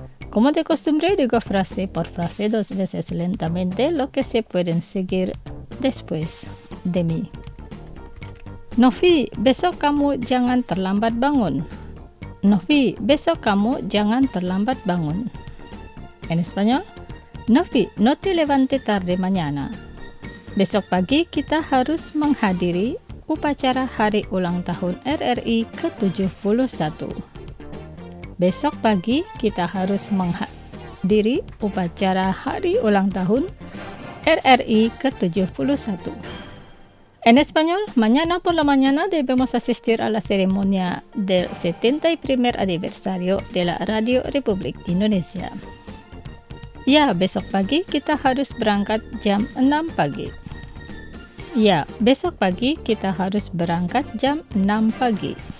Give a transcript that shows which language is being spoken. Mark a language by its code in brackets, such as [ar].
[es] Como de costumbre, digo frase por frase dos veces lentamente lo que se pueden seguir después de mí. [id] Novi, besok kamu jangan terlambat bangun. Novi, besok kamu jangan terlambat bangun. [es] En español, Novi, no te levante tarde mañana. [id] Besok pagi kita harus menghadiri upacara hari ulang tahun RRI ke-71. Besok pagi kita harus menghadiri upacara hari ulang tahun RRI ke-71. [es] En español, mañana por la mañana debemos asistir a la ceremonia del 71 aniversario de la Radio Republik Indonesia. [id] Ya, besok pagi kita harus berangkat jam 6 pagi. Ya, besok pagi kita harus berangkat jam 6 pagi.